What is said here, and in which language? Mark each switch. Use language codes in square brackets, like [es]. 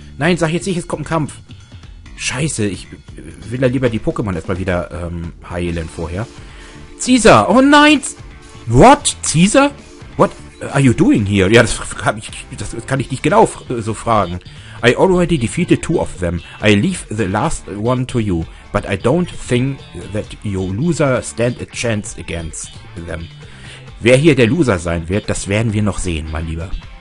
[de] Nein, sag jetzt nicht, es kommt ein Kampf! Scheiße, ich will ja lieber die Pokémon erstmal wieder heilen vorher. [en] Caesar! [de] Oh nein! [en] What? Caesar? What are you doing here? [de] Ja, das kann ich nicht genau so fragen. [en] I already defeated two of them. I leave the last one to you. But I don't think that your loser stand a chance against them. [de] Wer hier der Loser sein wird, das werden wir noch sehen, mein Lieber.